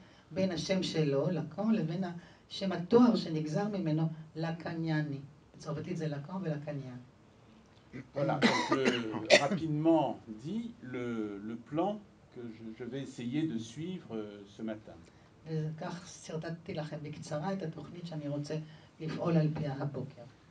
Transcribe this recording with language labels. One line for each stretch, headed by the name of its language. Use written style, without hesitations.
Hebrew: בין השם שלו, לקאן, לבין השם התואר שנגזר ממנו, לקניאני. בצרפתית זה לקאן ולקניאן.
French: Voilà, donc rapidement dit le plan que je vais essayer de suivre ce matin.
Hebrew: וכך סרטטתי לכם בקצרה את התוכנית שאני רוצה לפעול על פיה הבוקר.